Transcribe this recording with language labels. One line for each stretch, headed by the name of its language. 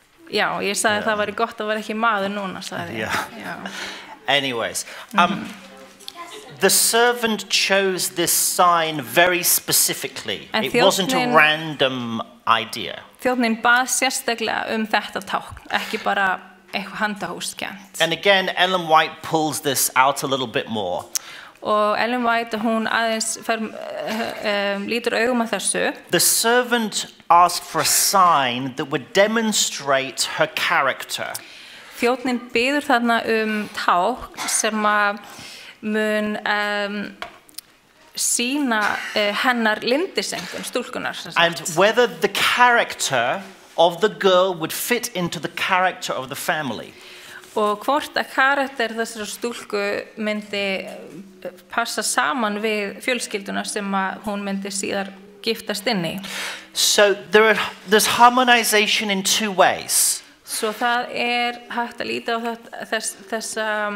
Icelandic: Ég sagði það væri gott að vera ekki maður núna, sagði ég.
English: Anyways, the servant chose this sign very specifically. It wasn't a random idea.
Icelandic: Þjónninn bað sérstaklega þetta tákn, ekki bara eitthvað handahófskennt.
English: And again, Ellen White pulls this out a little bit more.
Icelandic: Og Ellen White, hún aðeins lítur augum að þessu.
English: The servant asked for a sign that would demonstrate her character.
Icelandic: Þjónninn biður þarna tákn sem að mun sína hennar lindisengum stúlkunar.
English: And whether the character of the girl would fit into the character of the family.
Icelandic: Og hvort að karakter þessara stúlku myndi passa saman við fjölskylduna sem að hún myndi síðar giftast inn í.
English: So there's harmonization in two ways.
Icelandic: Svo það er hægt að líta á þessa